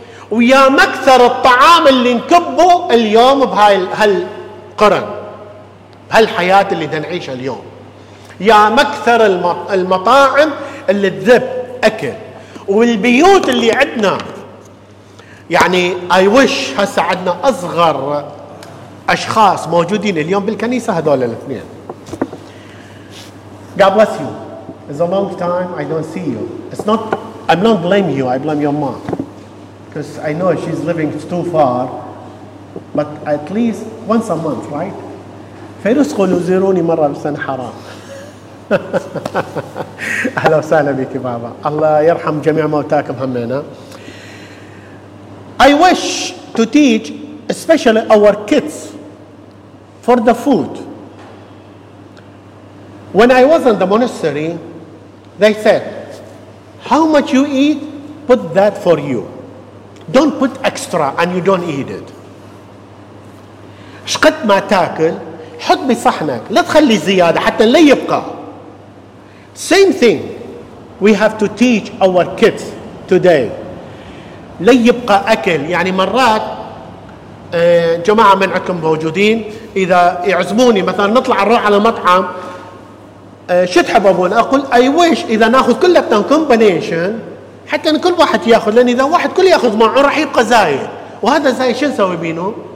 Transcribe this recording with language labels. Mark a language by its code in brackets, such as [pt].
[ar] ويا مكثر الطعام اللي نكبه اليوم بهالقرن، بهالحياة اللي نعيشها اليوم، يا مكثر المطاعم اللي تذب أكل، والبيوت اللي عندنا يعني [en] I wish [ar] هسا عندنا أصغر أشخاص موجودين اليوم بالكنيسة هذول الاثنين. [en] God bless you. It's a long time I don't see you. It's not, I'm not blaming you, I blame your mom. Because I know she's living too far. But at least once a month, right? [ar] فيروس قولوا زيروني مرة بسنة حرام. أهلا وسهلا بك بابا. الله يرحم جميع موتاكم همنا. [en] I wish to teach especially our kids for the food. When I was in the monastery, they said, how much you eat, put that for you. Don't put extra and you don't eat it. [ar] شقد ما تاكل حط بصحنك، لا تخلي زيادة حتى لا يبقى. [en] Same thing we have to teach our kids today. [ar] لا يبقى أكل، يعني مرات جماعة من عندكم موجودين إذا يعزموني مثلا نطلع نروح على مطعم، شو تحب أبونا؟ أقول أي ويش إذا نأخذ كل التان كومبينيشن حتى أن كل واحد يأخذ، لأن إذا واحد كل يأخذ معه راح يبقى زايد، وهذا زايد شو نسوي بينه؟